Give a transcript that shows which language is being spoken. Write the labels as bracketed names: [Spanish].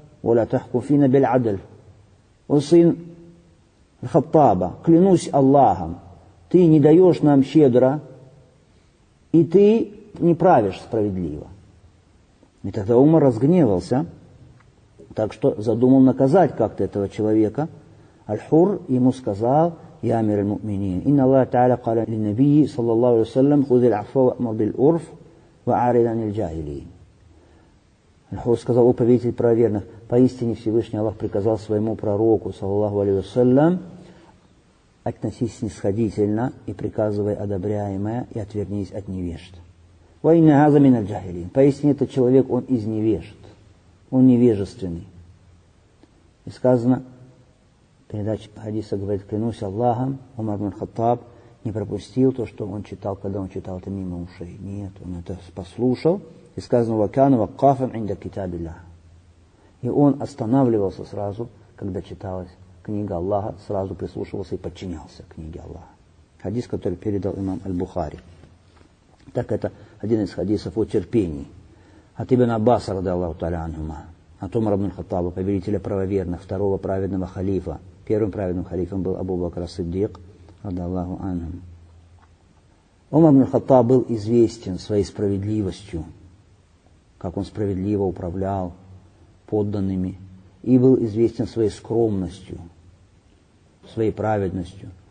[Arabic] «Воля тахкуфина бель адль». [Russian] «О сын Хаттаба, клянусь Аллахом, ты не даешь нам щедро, и ты не правишь справедливо». И тогда Умар разгневался, так что задумал наказать как-то этого человека. Аль-Хур ему сказал: [Arabic] يا أمير المؤمنين. إن الله تعالى قال للنبي صلى الله عليه وسلم خذ العفو وأمر بالعرف وأعرض عن الجاهلين. [Russian] الحور сказал о повелитель правоверных: поистине Всевышний Аллах приказал своему пророку [Arabic] صلى الله عليه وسلم [Russian] относись снисходительно и приказывай одобряемое и отвернись от невежд. [Arabic] وإن هذا من الجاهلين. [Russian] Поистине этот человек он из невежд, он невежественный. И сказано, передача хадиса говорит, клянусь Аллахом, Умар ибн Хаттаб не пропустил то, что он читал, когда он читал это мимо ушей. Нет, он это послушал. И сказано, [Arabic] وَكَانَ وَقَّافًا عِنْدَ كِتَابِ اللَّهِ. [Russian] И он останавливался сразу, когда читалась книга Аллаха, сразу прислушивался и подчинялся книге Аллаха. Хадис, который передал имам Аль-Бухари. Так это один из хадисов о терпении. От ибн Аббаса, [Arabic] رضي الله تعالى عنهما. [Russian] От Умара ибн Хаттаба, повелителя правоверных, второго праведного халифа. Первым праведным халифом был Абу Бакр ас-Сиддик, [Arabic] радиаллаху анху. [Russian] Умар ибн Хаттаб был известен своей справедливостью, как он справедливо управлял подданными, и был известен своей скромностью, своей праведностью.